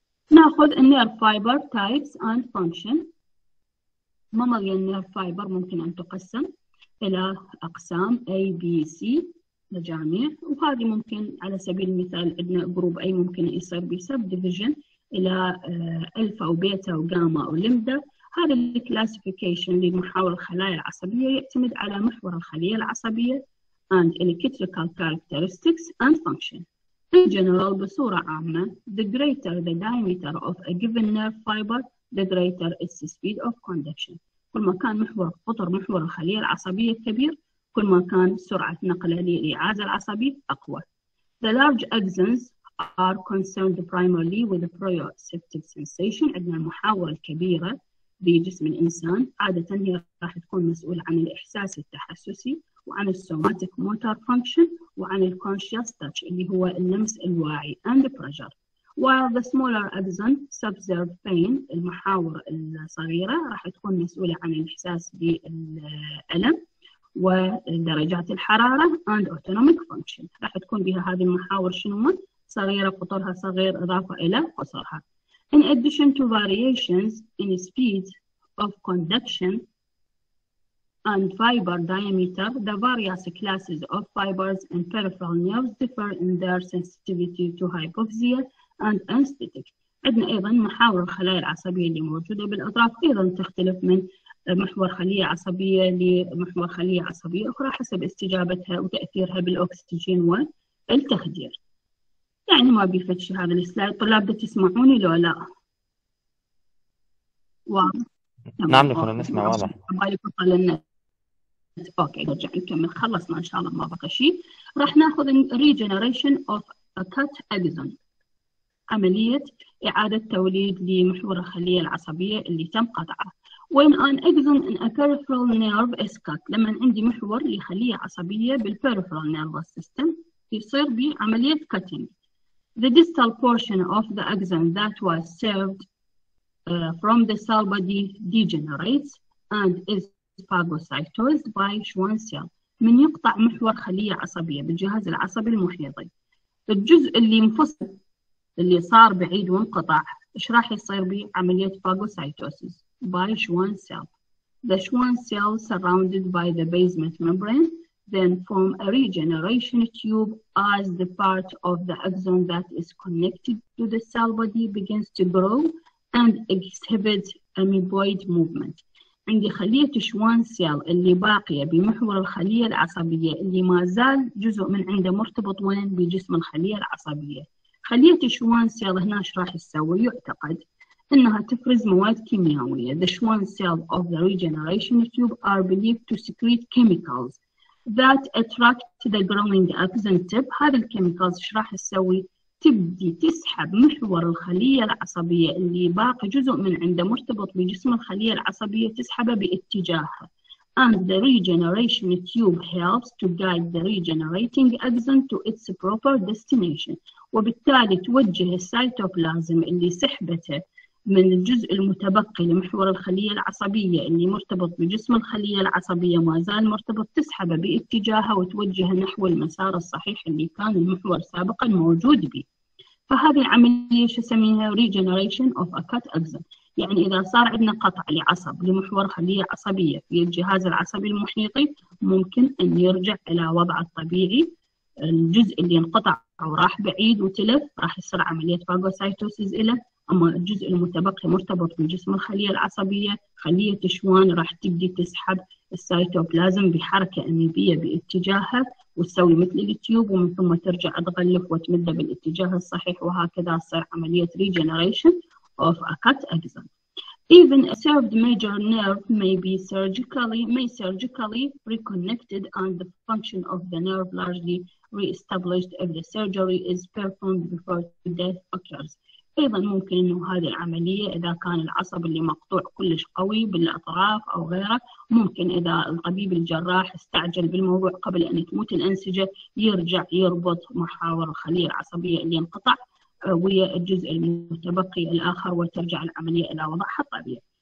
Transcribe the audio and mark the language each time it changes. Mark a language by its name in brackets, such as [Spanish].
[Arabic] ناخذ النير فايبر تايبس اند فانكشن. ماميليان نير فايبر ممكن ان تقسم الى اقسام A, B, C لجميع، وهذه ممكن على سبيل المثال عندنا جروب A ممكن يصير بسب ديفيجن الى الفا وبيتا وجاما وليمدا. هذا الكلاسيفيكيشن لمحاور الخلايا العصبيه يعتمد على محور الخليه العصبيه [English] and electrical characteristics and function. In general [Arabic] بصوره عامه [English] the greater the diameter of a given nerve fiber the greater its speed of conduction. [Arabic] كل ما كان محور قطر محور الخليه العصبيه كبير كل ما كان سرعه نقله للإعازة العصبيه اقوى. [English] The large axons are concerned primarily with the proprioceptive sensation. [Arabic] عندنا المحاور الكبيرة بجسم الإنسان عادة هي راح تكون مسؤولة عن الإحساس التحسسي وعن الصوماتيك موتور فانكشن وعن الكونشيس تاتش اللي هو اللمس الواعي [English] and the pressure. While the smaller axon subserve pain [Arabic] المحاور الصغيرة راح تكون مسؤولة عن الإحساس بالألم ودرجات الحرارة [English] and autonomic function. [Arabic] راح تكون بها هذه المحاور شنو؟ صغيرة قطرها صغير إضافة إلى قصرها. [English] In addition to variations in speed of conduction and fiber diameter, the various classes of fibers and peripheral nerves differ in their sensitivity to hypoxia and anesthetic. [Arabic] عندنا ايضا محاور الخلايا العصبيه اللي موجوده بالاطراف ايضا تختلف من محور خليه عصبيه لمحور خليه عصبيه اخرى حسب استجابتها وتاثيرها بالاكسجين والتخدير. يعني ما بيفتش هذا السلايد، طلاب بتسمعوني لو لا؟ و نعم تمام دكتور، اوكي، نسمع واضح. عبالك طال النت. اوكي نرجع نكمل، خلصنا ان شاء الله ما بقى شيء. راح ناخذ ريجنريشن اوف كات اديزون، عملية إعادة توليد لمحور الخلية العصبية اللي تم قطعه. [English] When an axon in a peripheral nerve is cut، [Arabic] لما عندي محور لخلية عصبية بال peripheral nervous system يصير بعملية [English] cutting. The distal portion of the axon that was severed from the cell body degenerates and is phagocytosed by Schwann cell. [Arabic] من يقطع محور خلية عصبية بالجهاز العصبي المحيطي، الجزء اللي انفصل اللي صار بعيد وانقطع ايش راح يصير به؟ عملية [English] phagocytosis by Schwann cell. The Schwann cell surrounded by the basement membrane then form a regeneration tube as the part of the axon that is connected to the cell body begins to grow and exhibits amoeboid movement. [Arabic] عندي خلية Schwann cell اللي باقية بمحور الخلية العصبية اللي ما زال جزء من عنده مرتبط وين؟ بجسم الخلية العصبية. خلية Schwann cell هنا ايش راح تسوي؟ يعتقد انها تفرز مواد كيميائية. [English] The Schwann cell of the regeneration tube are believed to secrete chemicals that attract the growing axon tip. [Arabic] هذه الكيميكالز ايش راح تسوي؟ تبدي تسحب محور الخلية العصبية اللي باقي جزء من عنده مرتبط بجسم الخلية العصبية تسحبه باتجاهها. [English] And the regeneration tube helps to guide the regenerating axon to its proper destination. [Arabic] وبالتالي توجه السيتوبلازم اللي سحبته من الجزء المتبقي لمحور الخلية العصبية اللي مرتبط بجسم الخلية العصبية ما زال مرتبط تسحبه باتجاهها وتوجهه نحو المسار الصحيح اللي كان المحور سابقا موجود به. فهذه العملية شو اسميها؟ [English] regeneration of a cut axon. [Arabic] يعني إذا صار عندنا قطع لعصب لمحور خلية عصبية في الجهاز العصبي المحيطي ممكن أن يرجع إلى وضع الطبيعي. الجزء اللي انقطع وراح بعيد وتلف راح يصير عملية phagocytosis إله، أما الجزء المتبقي مرتبط بجسم الخلية العصبية خلية شوان راح تبدي تسحب السيتوبلازم بحركة أميبية باتجاهها وتسوي مثل التيوب ومن ثم ترجع تغلف وتمده بالاتجاه الصحيح وهكذا تصير عملية regeneration of a cut axon. [English] Even a served major nerve may surgically reconnected and the function of the nerve largely re-established if the surgery is performed before death occurs. [Arabic] أيضا ممكن أنه هذه العملية إذا كان العصب اللي مقطوع كلش قوي بالأطراف أو غيره ممكن إذا الطبيب الجراح استعجل بالموضوع قبل أن تموت الأنسجة يرجع يربط محاور الخلية العصبية اللي انقطع ويا الجزء المتبقي الآخر وترجع العملية إلى وضعها الطبيعي.